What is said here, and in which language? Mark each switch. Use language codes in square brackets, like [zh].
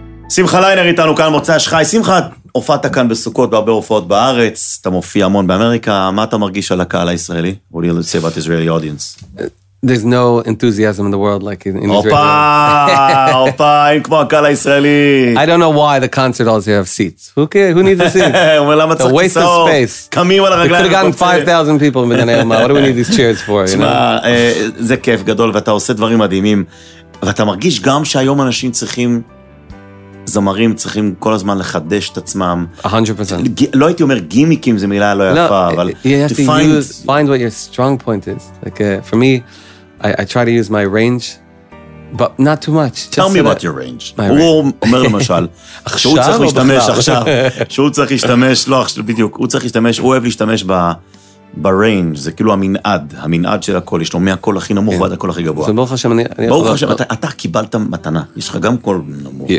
[he] שמחה ליינר איתנו כאן מוצא השחי. שמחה, הופעת כאן בסוכות בהרבה הופעות בארץ, אתה מופיע המון באמריקה, מה אתה מרגיש על הקהל הישראלי? [en] What do you say about Israeli audience? There's no enthusiasm in the world like in Israel. [he] אופה, אופה, אין כמו הקהל הישראלי. [en] I don't know why the concert halls have seats. Who needs a seat? [he] ולמה צריך כסאות? [en] The waste of space. [he] קמים על הרגליים. [en] We could have gotten 5,000 people in בגני אומה. What do we need these chairs for? [he] זה כיף גדול, ואתה עושה דברים מדהימים, ואתה מרגיש גם שהיום אנשים צריכים זמרים צריכים כל הזמן לחדש את עצמם. [en] 100%. [he] לא הייתי אומר גימיקים, זו מילה לא יפה, אבל... [en] find what your strong point is. Like, for me, I try to use my range, but not too much. Tell me about your range. [he] הוא אומר למשל, שהוא צריך להשתמש עכשיו, שהוא צריך להשתמש, לא עכשיו בדיוק, הוא צריך להשתמש, הוא אוהב להשתמש ב-range, זה כאילו המנעד, המנעד של הכל, יש לו מהקול הכי נמוך ועד הכל הכי גבוה. אז ברוך השם, אני... ברוך השם, אתה קיבלת מתנה, יש לך גם קול נמוך.